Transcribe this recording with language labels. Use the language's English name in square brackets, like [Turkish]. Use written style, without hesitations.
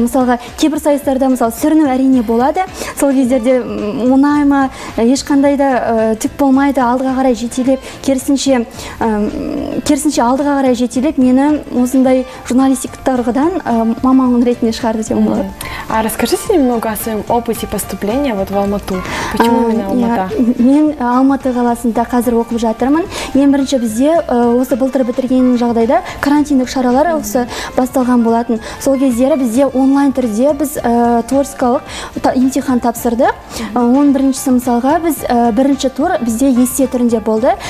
[Kazakh] Мысалға кейбір сайыстарда мысалы сүріну әрине болады, сол кездерде мұнай ма, ешқандай да түк болмайды, алдыға қарай жетелеп, керісінше алдыға қарай жетелеп мені осындай журналистик тұрғыдан маманның ретінде шығарды деп болады. [Russian] А расскажите немного о своем опыте поступления вот в Алматы. Почему именно Алматы? [Kazakh] Мен Алматы қаласында қазір оқып жатырмын. Ең бірінші бізде осы былтыр бітірген жағдайда карантиндік шаралар осы басталған болатын. Сол кездері бізде онлайн түрде біз творческалық емтихан тапсырдық. 11-ші мысалға біз бірінші тур бізде есте түрінде болды.